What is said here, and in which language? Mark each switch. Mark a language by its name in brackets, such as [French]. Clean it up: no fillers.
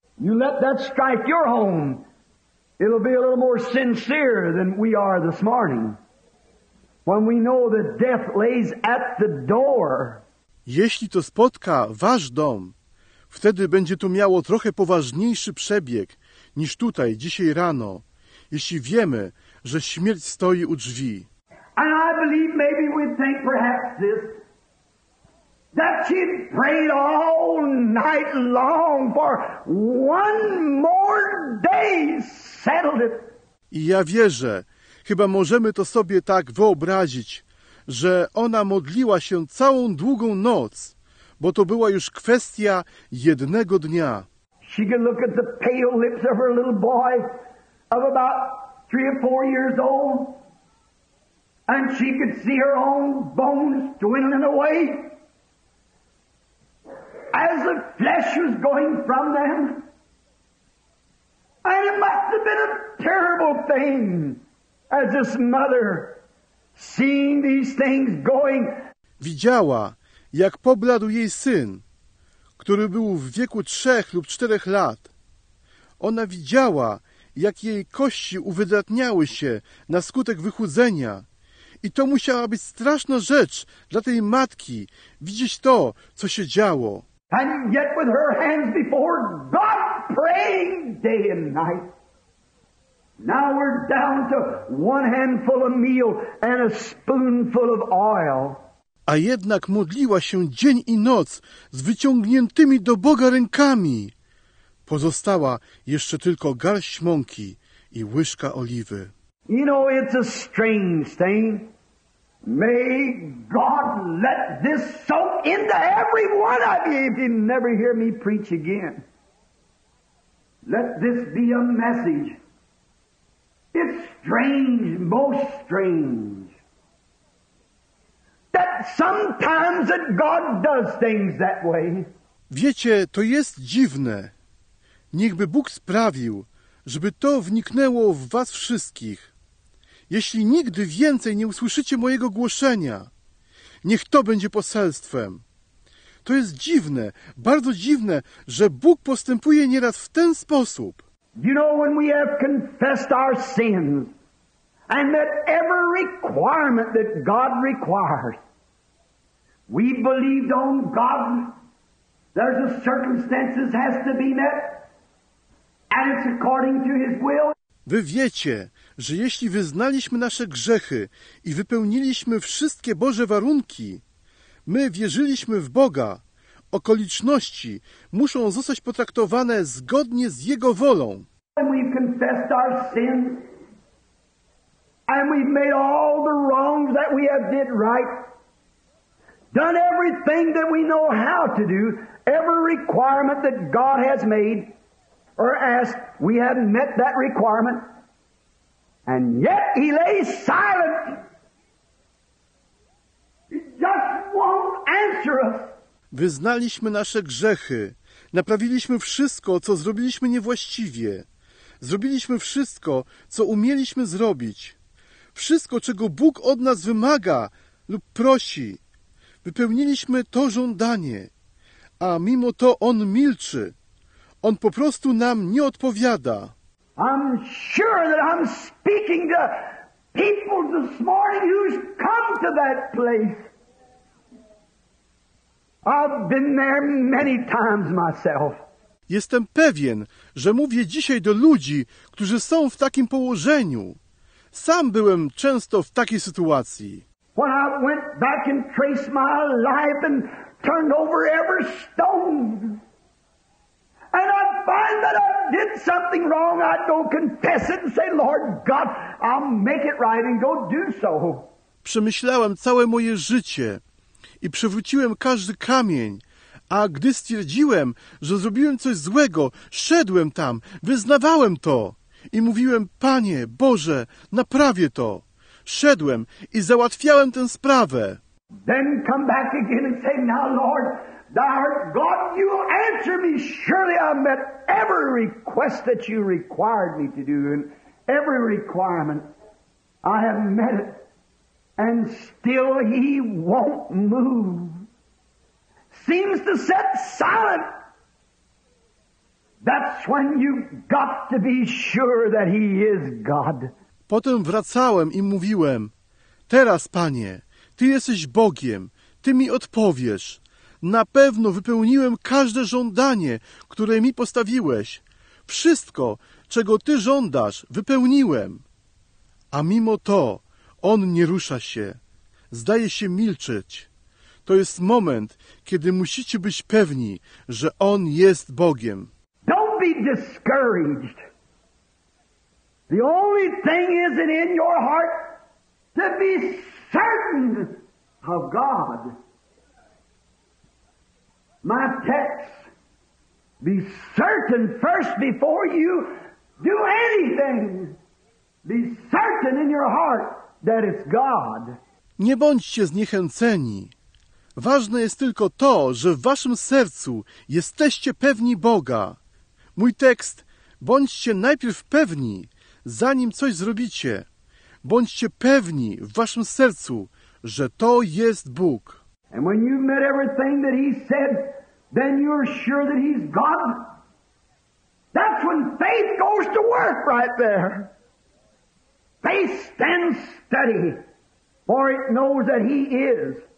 [English] You let that strike your home. It'll be a little more sincere than we are this morning. When we know that death lays at the door. [Polish] Jeśli to spotka wasz dom, wtedy będzie to miało trochę poważniejszy przebieg niż tutaj dzisiaj rano, jeśli wiemy, że śmierć stoi u drzwi. [English] And I believe maybe we think perhaps this, that she prayed all night long for one more day settled it. [Polish] I ja wierzę, chyba możemy to sobie tak wyobrazić, że ona modliła się całą długą noc, bo to była już kwestia jednego dnia. [English] She could look at the pale lips of her little boy of about 3 or 4 years old, and she could see her own bones dwindling away as the flesh was going from them. And it must have been a terrible thing as this mother seeing these things going. [Polish] Widziała, jak pobladł jej syn, który był w wieku 3 lub 4 lat. Ona widziała, jak jej kości uwydatniały się na skutek wychudzenia. I to musiała być straszna rzecz dla tej matki, widzieć to, co się działo. [English] And yet with her hands before God praying day and night. Now we're down to one handful of meal and a spoonful of oil. [Polish] A jednak modliła się dzień i noc z wyciągniętymi do Boga rękami. Pozostała jeszcze tylko garść mąki i łyżka oliwy. [English] You know, it's a strange thing. May God let this soak into every one of you if you never hear me preach again. Let this be a message. It's strange, most strange, that sometimes that God does things that way. [Polish] Wiecie, to jest dziwne. Niechby Bóg sprawił, żeby to wniknęło w was wszystkich. Jeśli nigdy więcej nie usłyszycie mojego głoszenia, niech to będzie poselstwem. To jest dziwne, bardzo dziwne, że Bóg postępuje nieraz w ten sposób. [English] You know, when we have confessed our sins and met every requirement that God requires, we believed on God, there's a circumstance that has to be met. And it's according to his will. [Polish] Wy wiecie, że jeśli wyznaliśmy nasze grzechy i wypełniliśmy wszystkie Boże warunki, my wierzyliśmy w Boga, okoliczności muszą zostać potraktowane zgodnie z Jego wolą. [English] And we've confessed our sin, and we've made all the wrongs that we have did right, done everything that we know how to do, every requirement that God has made, or asked, we haven't met that requirement. And yet he lays silent. He just won't answer us. [Polish] Wyznaliśmy nasze grzechy. Naprawiliśmy wszystko, co zrobiliśmy niewłaściwie. Zrobiliśmy wszystko, co umieliśmy zrobić. Wszystko, czego Bóg od nas wymaga lub prosi. Wypełniliśmy to żądanie, a mimo to On milczy. On po prostu nam nie odpowiada. [English] I'm sure that I'm speaking to people this morning who's come to that place. I've been there many times myself. [Polish] Jestem pewien, że mówię dzisiaj do ludzi, którzy są w takim położeniu. Sam byłem często w takiej sytuacji. [English] When I went back and traced my life and turned over every stone, and I find that I did something wrong, I don't confess it and say, Lord God, I'll make it right and go do so. [Polish] Przemyślałem całe moje życie i przewróciłem każdy kamień, a gdy stwierdziłem, że zrobiłem coś złego, szedłem tam, wyznawałem to i mówiłem, Panie, Boże, naprawię to. Szedłem i załatwiałem tę sprawę. [English] Then come back again and say, now Lord, thou art God, you answer me. Surely I met every request that you required me to do and every requirement. I have met it. And still he won't move. Seems to sit silent. That's when you've got to be sure that he is God. [Polish] Potem wracałem i mówiłem, teraz, Panie, Ty jesteś Bogiem, Ty mi odpowiesz. Na pewno wypełniłem każde żądanie, które mi postawiłeś. Wszystko, czego Ty żądasz, wypełniłem. A mimo to On nie rusza się. Zdaje się milczeć. To jest moment, kiedy musicie być pewni, że On jest Bogiem. [English] Don't be discouraged. The only thing is in your heart to be certain of God. My text, be certain first before you do anything. Be certain in your heart that it's God. [Polish] Nie bądźcie zniechęceni. Ważne jest tylko to, że w waszym sercu jesteście pewni Boga. Mój tekst, bądźcie najpierw pewni, zanim coś zrobicie, bądźcie pewni w waszym sercu, że to jest Bóg. [English] And when you've met everything that he said, then you're sure that he's God. That's when faith goes to work right there. Faith stands steady, for it knows that he is.